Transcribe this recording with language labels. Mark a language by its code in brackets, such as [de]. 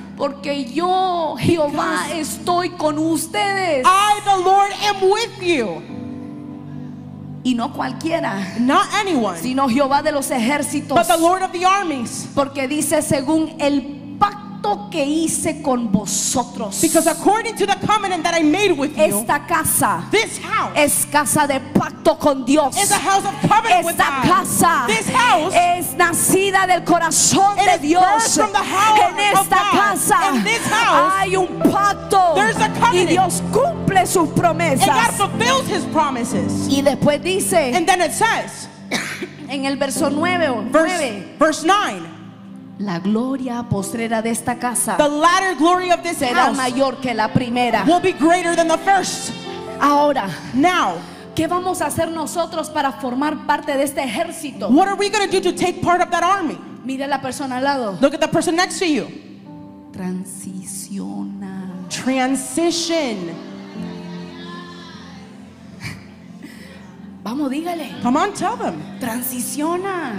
[es] Porque yo, Jehová, estoy con ustedes. [en] I, the Lord, am with you. [es] Y no cualquiera. [en] Not anyone. [es] Sino Jehová de los ejércitos. [en] But the Lord of the armies. [es] Porque dice según el pacto que hice con vosotros. [en] Because according to the covenant that I made with you. [es] Esta casa. [en] This house. [es] Es casa de pacto con Dios. [en] Is a house of covenant with God. [es] Esta casa. [en] This house. [es] Es nacida del corazón de Dios. En esta casa hay un pacto. [en] There's a covenant. [es] Y Dios cumple sus promesas. [en] And God fulfills his promises. [es] Y después dice. [en] And then it says. [es] En el verso 9. [en] Verse 9. [es] La gloria postrera de esta casa [en] the latter glory of this [es] será [en] house [es] mayor que la primera. [en] Will be greater than the first. [es] Ahora, [en] now, [es] ¿qué vamos a hacer nosotros para formar parte de este ejército? [en] What are we going to do to take part of that army? [es] Mira la persona al lado. [en] Look at the person next to you. [es] Transiciona. [en] Transition. [es] Vamos, dígale. [en] Come on, tell them. [es] Transiciona.